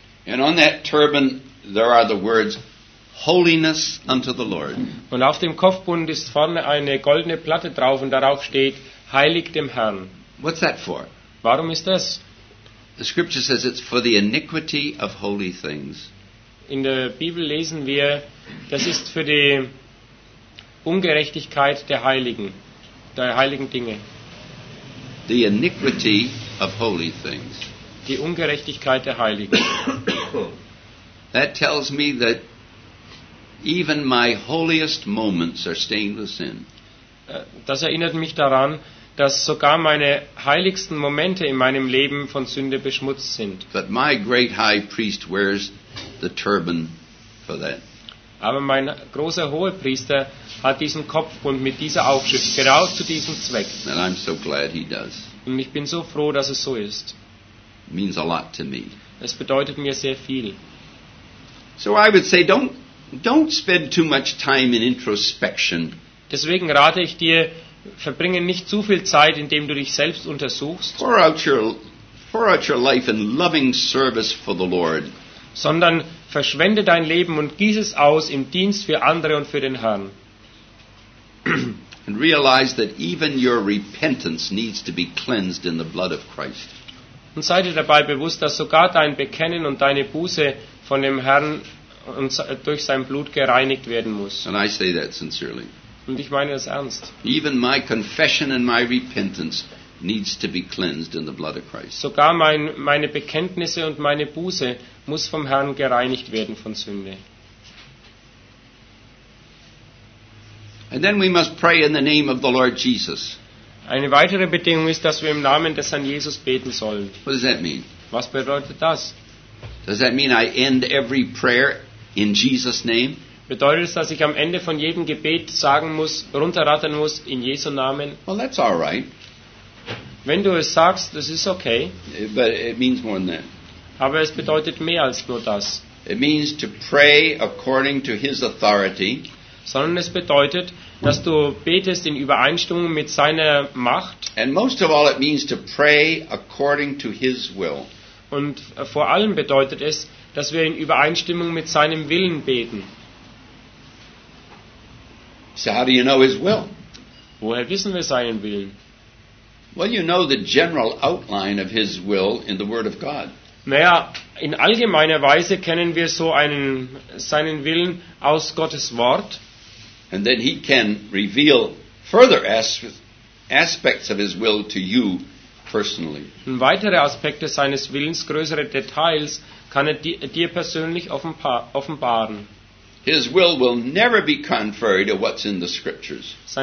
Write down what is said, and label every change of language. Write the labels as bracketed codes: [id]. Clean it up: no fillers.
[en] And on that turban there are the words holiness unto the Lord. [de] Und auf dem Kopfbund ist vorne eine goldene Platte drauf und darauf steht heilig dem Herrn. [en] What's that for? [de] Warum ist das? [en] The scripture says it's for the iniquity of holy things. [de] In der Bibel lesen wir, das ist für die Ungerechtigkeit der heiligen Dinge. [en] The iniquity of holy things. [de] Die Ungerechtigkeit der Heiligen. [en] That tells me that even my holiest moments are stained with sin. [de] Das erinnert mich daran, dass sogar meine heiligsten Momente in meinem Leben von Sünde beschmutzt sind. [en] But my great high priest wears the turban for that. [de] Aber mein großer Hohepriester hat diesen Kopfbund mit dieser Aufschrift genau zu diesem Zweck. [en] And I'm so glad he does. [de] Und ich bin so froh, dass es so ist. [en] It means a lot to me. [de] Es bedeutet mir sehr viel. [en] So I would say, don't spend too much time in introspection. [de] Deswegen rate ich dir, verbringe nicht zu viel Zeit, indem du dich selbst untersuchst. [en] Pour out your life in loving service for the Lord. [de] Sondern verschwende dein Leben und gieß es aus im Dienst für andere und für den Herrn. [en] And realize that even your repentance needs to be cleansed in the blood of Christ. [de] Und sei dir dabei bewusst, dass sogar dein Bekennen und deine Buße von dem Herrn und durch sein Blut gereinigt werden muss. [en] And I say that sincerely. [de] Und ich meine das ernst. [en] Even my confession and my repentance needs to be cleansed in the blood of Christ. [de] Sogar meine Bekenntnisse und meine Buße muss vom Herrn gereinigt werden von Sünde. [en] And then we must pray in the name of the Lord Jesus. [de] Eine weitere Bedingung ist, dass wir im Namen des Herrn Jesus beten sollen. [en] What does that mean? [de] Was bedeutet das? [en] Does that mean I end every prayer in Jesus' name? [de] Bedeutet es, dass ich am Ende von jedem Gebet sagen muss, runterrattern muss, in Jesu Namen? [en] Well, that's all right. [de] Wenn du es sagst, das ist okay. [en] But it means more than that. [de] Aber es bedeutet mehr als nur das. [en] It means to pray according to his authority. [de] Sondern es bedeutet, dass du betest in Übereinstimmung mit seiner Macht. [en] And most of all it means to pray according to his will. [de] Und vor allem bedeutet es, dass wir in Übereinstimmung mit seinem Willen beten. [en] So how do you know his will? [de] Woher wissen wir seinen Willen? [en] Well, you know the general outline of his will in the Word of God. [de] Naja, in allgemeiner Weise kennen wir so einen seinen Willen aus Gottes Wort. [en] And then he can reveal further aspects of his will to you personally. [de] Und weitere Aspekte seines Willens, größere Details, kann er dir persönlich offenbaren. [en] His will never be contrary to what's in the Scriptures.